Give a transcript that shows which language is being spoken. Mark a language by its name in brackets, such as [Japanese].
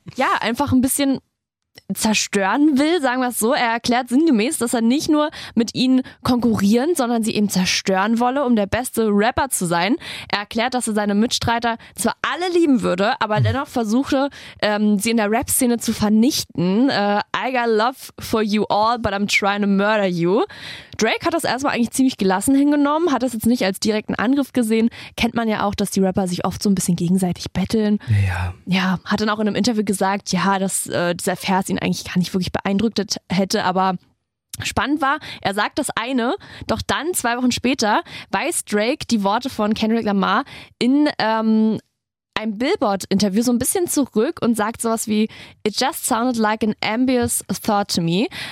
[German] Ja, einfach ein bisschen zerstören will, sagen wir es so. Er erklärt sinngemäß, dass er nicht nur mit ihnen konkurrieren, sondern sie eben zerstören wolle, um der beste Rapper zu sein. Er erklärt, dass er seine Mitstreiter zwar alle lieben würde, aber dennoch versuche, sie in der Rap-Szene zu vernichten. [English] I got love for you all, but I'm trying to murder you. [German] Drake hat das erstmal eigentlich ziemlich gelassen hingenommen, hat das jetzt nicht als direkten Angriff gesehen. Kennt man ja auch, dass die Rapper sich oft so ein bisschen gegenseitig betteln. Ja. Ja, hat dann auch in einem Interview gesagt, ja, dass dieser Vers ihn eigentlich gar nicht wirklich beeindruckt hätte, aber spannend war, er sagt das eine, doch dann, 2 Wochen später, weiß Drake die Worte von Kendrick Lamar in ein Billboard-Interview so ein bisschen zurück und sagt sowas wie [English] "It just sounded like an ambitious thought to me.